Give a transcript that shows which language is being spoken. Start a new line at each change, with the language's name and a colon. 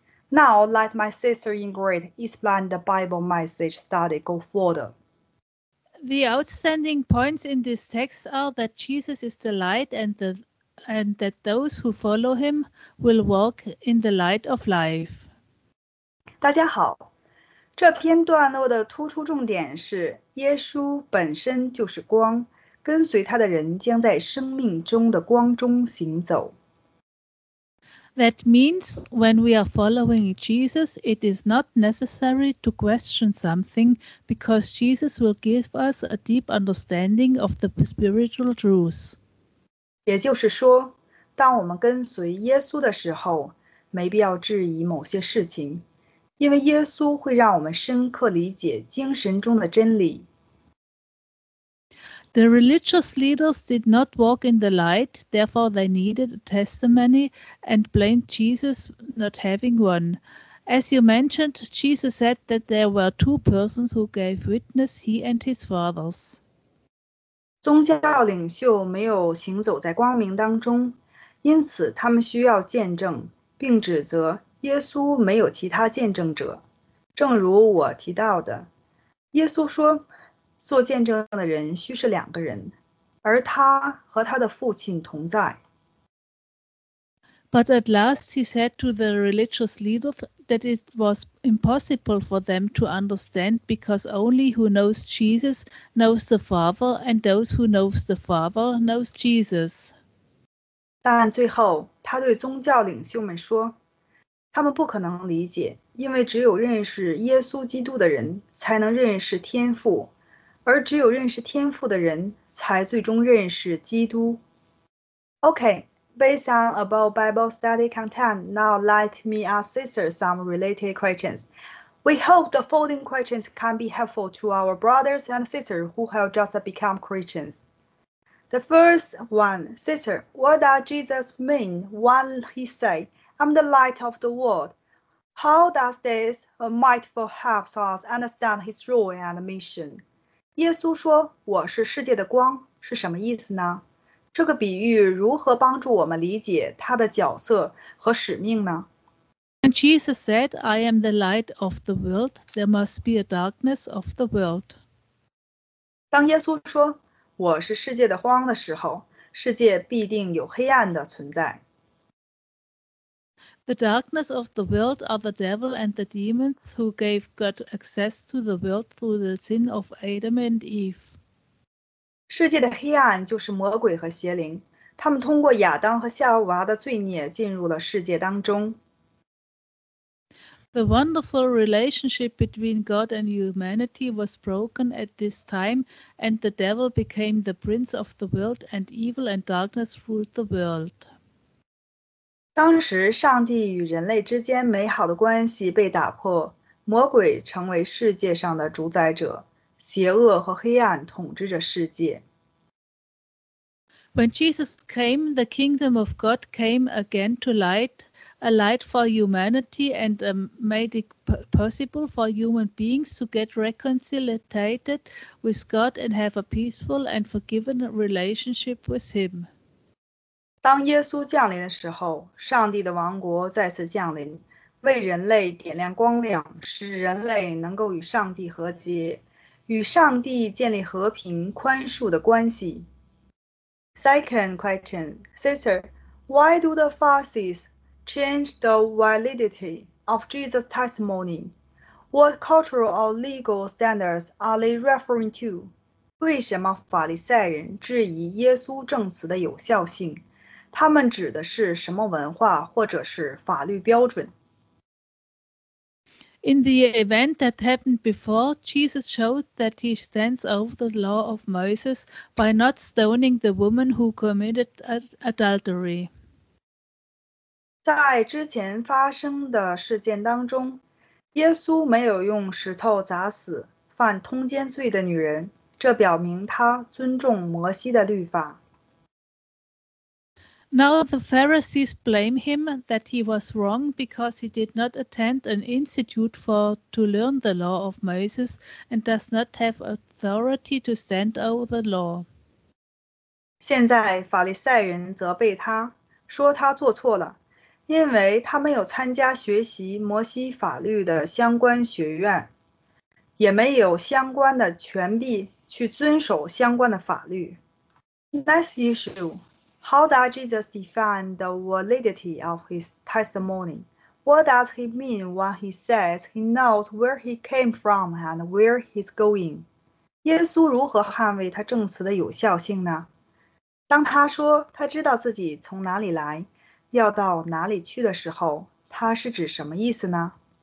English: Now, let my sister Ingrid explain the Bible message study go further. The outstanding points in this text are that Jesus is the light and that those who follow him will walk in the light of life.
Chinese: 大家好，这篇段落的突出重点是耶稣本身就是光，跟随他的人将在生命中的光中行走。
English: That means when we are following Jesus, it is not necessary to question something because Jesus will give us a deep understanding of the spiritual truth.
Chinese: 也就是说，当我们跟随耶稣的时候，没必要质疑某些事情，因为耶稣会让我们深刻理解精神中的真理。
English: The religious leaders did not walk in the light, therefore they needed a testimony and blamed Jesus not having one. As you mentioned, Jesus said that there were two persons who gave witness, he and his fathers.
Chinese: 宗教领袖没有行走在光明当中，因此他们需要见证，并指责耶稣没有其他见证者。正如我提到的，耶稣说做见证的人须是两个人，而他和他的父亲同在。
English: But at last he said to the religious leaders that it was impossible for them to understand because only who knows Jesus knows the Father and those who knows the Father knows Jesus.
Chinese: 但最后他对宗教领袖们说，他们不可能理解，因为只有认识耶稣基督的人才能认识天父。而只有认识天父的人才最终认识基督。
English: Okay, based on above Bible study content, now let me ask sister some related questions. We hope the following questions can be helpful to our brothers and sisters who have just become Christians. The first one, sister, what does Jesus mean when he said, I'm the light of the world? How does this mindful help us understand his role and mission?
Chinese: 耶稣说我是世界的光是什么意思呢？这个比喻如何帮助我们理解他的角色和使命呢？
English: When Jesus said, I am the light of the world, there must be a darkness of the world.
Chinese: 当耶稣说我是世界的光的时候，世界必定有黑暗的存在。
English: The darkness of the world are the devil and the demons who gave God access to the world through the sin of Adam and Eve.
Chinese: 世界的黑暗就是魔鬼和邪灵，他们通过亚当和夏娃的罪孽进入了世界当中。
English: The wonderful relationship between God and humanity was broken at this time, and the devil became the prince of the world, and evil and darkness ruled the world.
Chinese: 当时上帝与人类之间美好的关系被打破，魔鬼成为世界上的主宰者，邪恶和黑暗统治着世界。
English: When Jesus came, the kingdom of God came again to light, a light for humanity and made it possible for human beings to get reconciliated with God and have a peaceful and forgiven relationship with him.
Chinese: 当耶稣降临的时候，上帝的王国再次降临，为人类点亮光亮，使人类能够与上帝和解，与上帝建立和平宽恕的关系。
English: Second question, sister, why do the Pharisees change the validity of Jesus' testimony? What cultural or legal standards are they referring to?
Chinese: 为什么法利赛人质疑耶稣证词的有效性？他们指的是什么文化或者是法律标准？
English: In the event that happened before, Jesus showed that he stands over the law of Moses by not stoning the woman who committed adultery.
Chinese: 在之前发生的事件当中，耶稣没有用石头砸死犯通奸罪的女人，这表明他尊重摩西的律法。
English: Now the Pharisees blame him that he was wrong because he did not attend an institute to learn the law of Moses and does not have authority to stand over the law.
Chinese: 现在法利赛人责备他，说他做错了，因为他没有参加学习摩西法律的相关学院，也没有相关的权柄去遵守相关的法律。
English: Next issue. How does Jesus define the validity of his testimony? What does he mean when he says he knows where he came from and where he's going?
Chinese: 耶稣如何捍卫他证词的有效性呢？当他说他知道自己从哪里来，要到哪里去的时候，他是指什么意思呢？